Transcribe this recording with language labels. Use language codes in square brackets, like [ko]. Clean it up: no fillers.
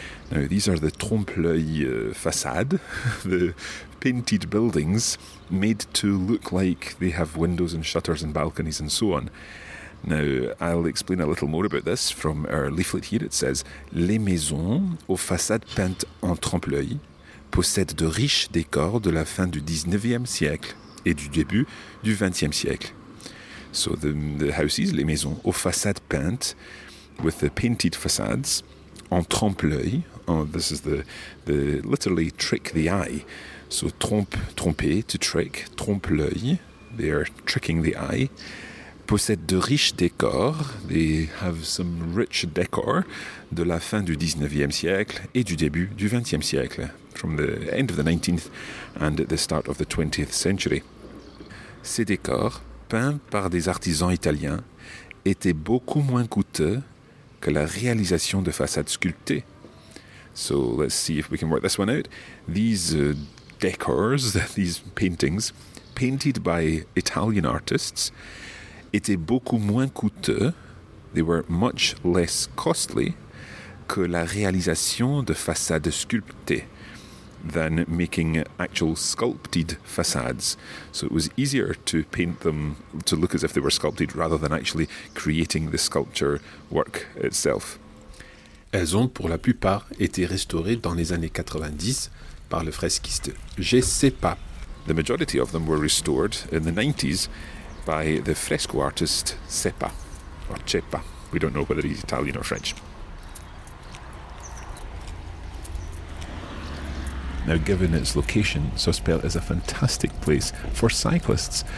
[en] Now, these are the trompe-l'œil façade, the painted buildings made to look like they have windows and shutters and balconies and so on. Now, I'll explain a little more about this from our leaflet here. It says, [fr] les maisons aux façades peintes en trompe-l'œil possèdent de riches décors de la fin du 19e siècle et du début du 20e siècle. [en] So the houses, [fr] les maisons aux façades peintes, [en] with the painted facades, [fr] en trompe-l'œil. [en] Oh, this is the literally trick the eye. [fr] So tromper, [en] to trick, [fr] trompe-l'œil, [en] they are tricking the eye, [fr] possèdent de riches décors, [en] they have some rich decor, [fr] de la fin du 19e siècle et du début du 20e siècle, [en] from the end of the 19th and the start of the 20th century. [fr] Ces décors, peints par des artisans italiens, étaient beaucoup moins coûteux que la réalisation de façades sculptées. [en] So let's see if we can work this one out. These decors, these paintings, painted by Italian artists, [fr] étaient beaucoup moins coûteux, [en] they were much less costly, [fr] que la réalisation de façades sculptées, [en] than making actual sculpted facades. So it was easier to paint them to look as if they were sculpted rather than actually creating the sculpture work itself. [fr] Elles ont pour la plupart été restaurées dans les années 90 par le fresquiste Giuseppe. [en] The majority of them were restored in the 90s by the fresco artist Seppa, or Ceppa. We don't know whether he's Italian or French. Now, given its location, Sospel is a fantastic place for cyclists.